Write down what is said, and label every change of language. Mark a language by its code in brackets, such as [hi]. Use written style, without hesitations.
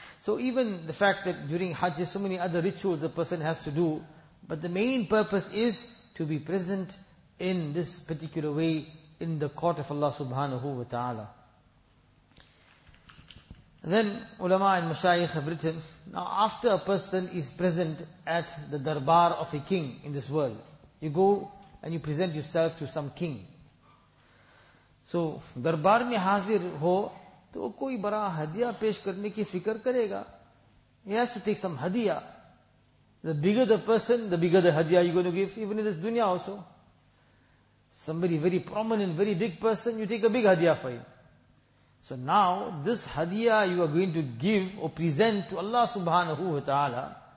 [en] So even the fact that during Hajj there's so many other rituals a person has to do, but the main purpose is to be present in this particular way in the court of Allah subhanahu wa ta'ala. Then ulama and mashayikh have written, now after a person is present at the darbar of a king in this world, you go and you present yourself to some king. [ur] So darbar mein hazir ho, تو کوئی بڑا ہدیہ پیش کرنے کی فکر کرے گا. [en] He has to take some hadiya. The bigger the person, the bigger the hadiya you're going to give, even in this dunya also. Somebody very prominent, very big person, you take a big hadiya for him. So now, this hadiya you are going to give or present to Allah subhanahu wa ta'ala.